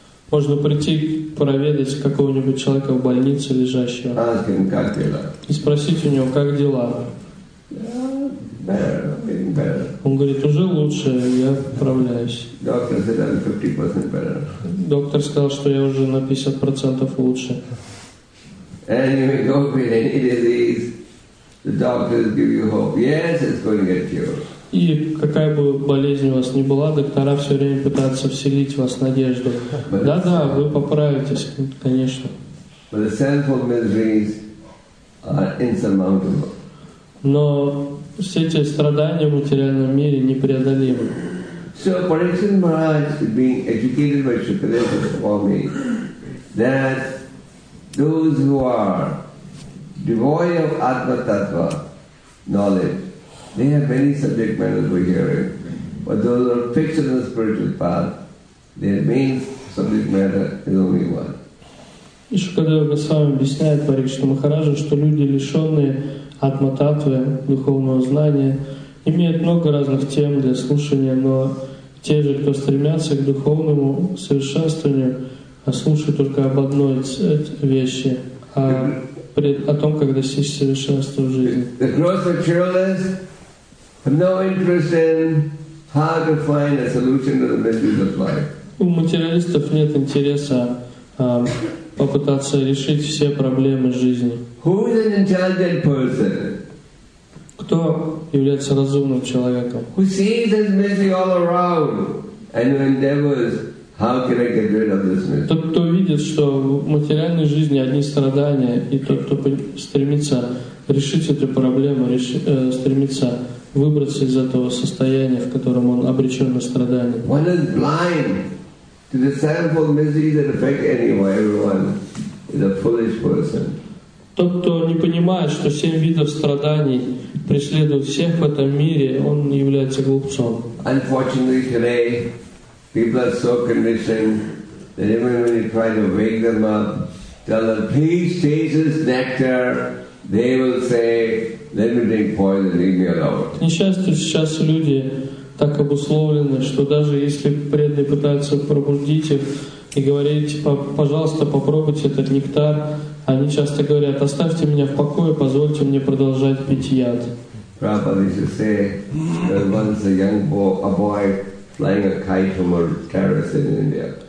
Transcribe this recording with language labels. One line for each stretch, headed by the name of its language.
Russian: Можно прийти проведать какого-нибудь человека в больнице лежащего.
English: Ask him,
Russian: как дела? И спросить у него, как дела?
English: Better.
Russian: Он говорит, уже лучше, я поправляюсь.
English: Doctor said I'm 50% better.
Russian: Доктор сказал, что я уже на 50% лучше.
English: And you may go with any disease. The doctors give you hope. Yes, it's going to get cured.
Russian: И какая бы болезнь у вас ни была, доктора все время пытаются вселить в вас надежду. Да-да, вы поправитесь, конечно.
English: But the sinful miseries are insurmountable.
Russian: Но все эти страдания в материальном мире непреодолимы.
English: So Parikshit Maharaj, being educated by Shukadeva Swami, that those who are devoid of atma-tattva knowledge, they have many subject matters we hear it. But those who are fixed in the spiritual path, their main subject matter is only one.
Russian: И Шукадева Госвами объясняет Парикшита Махараджа, что люди, лишенные атма-таттвы, духовного знания, имеют много разных тем для слушания, но те же, кто стремятся к духовному совершенствованию, слушают только об одной вещи — о том, как достичь совершенства в жизни.
English: The gross materialists have no interest in how to find a solution to the miseries of life.
Russian: У материалистов нет интереса попытаться решить все проблемы жизни.
English: Who is an intelligent person?
Russian: Кто является разумным человеком?
English: Who sees this misery all around and endeavors, how can I get rid of this misery?
Russian: Тот, кто видит, что в материальной жизни одни страдания, и тот, кто стремится решить эту проблему, стремится выбраться из этого состояния, в котором он обречен на страдания.
English: One is blind to the sinful miseries that affect anyone, everyone, is a foolish person.
Russian: Тот, кто не понимает, что семь видов страданий преследуют всех в этом мире, он является глупцом.
English: Unfortunately, today people are so conditioned that even when you try to wake them up, tell them, please taste this nectar, they will say, let me drink poison, leave me alone.
Russian: К несчастью, сейчас люди так обусловлены, что даже если преданные пытаются пробудить их и говорить, пожалуйста, попробуйте этот нектар, они часто говорят, оставьте меня в покое, позвольте мне продолжать пить яд.
English: Prabhupada used to say that once a young boy flying a kite from a terrace in India.